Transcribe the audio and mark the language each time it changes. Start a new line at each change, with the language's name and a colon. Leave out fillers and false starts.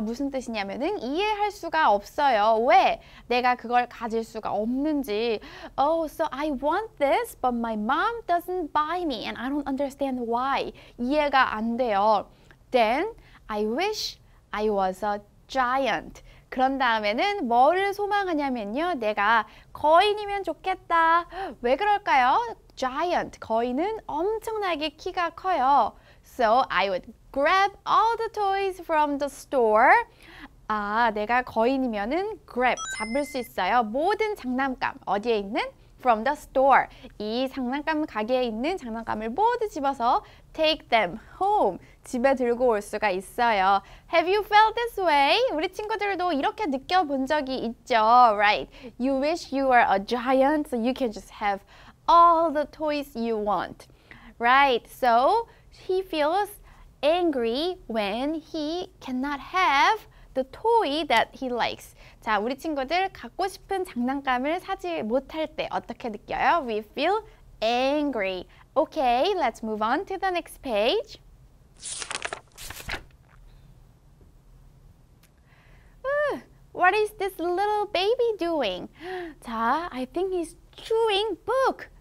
Korean: 무슨 뜻이냐면은 이해할 수가 없어요. 왜 내가 그걸 가질 수가 없는지.
English: Oh, so I want this, but my mom doesn't buy me, and I don't understand why.
Korean: 이해가 안 돼요.
English: Then I wish I was a giant.
Korean: 그런 다음에는 뭐를 소망하냐면요. 내가 거인이면 좋겠다. 왜 그럴까요? Giant, 거인은 엄청나게 키가 커요.
English: So I would grab all the toys from the store.
Korean: 아, 내가 거인이면은 grab, 잡을 수 있어요. 모든 장난감, 어디에 있는?
English: From the store.
Korean: 이 장난감 가게에 있는 장난감을 모두 집어서
English: take them home.
Korean: 집에 들고 올 수가 있어요.
English: Have you felt this way?
Korean: 우리 친구들도 이렇게 느껴본 적이 있죠.
English: Right. You wish you were a giant so you can just have all the toys you want. Right. So he feels angry when he cannot have the toy that he likes.
Korean: 자, 우리 친구들 갖고 싶은 장난감을 사지 못할 때 어떻게 느껴요?
English: We feel angry. Okay, let's move on to the next page. What is this little baby doing? 자, I think he's chewing book.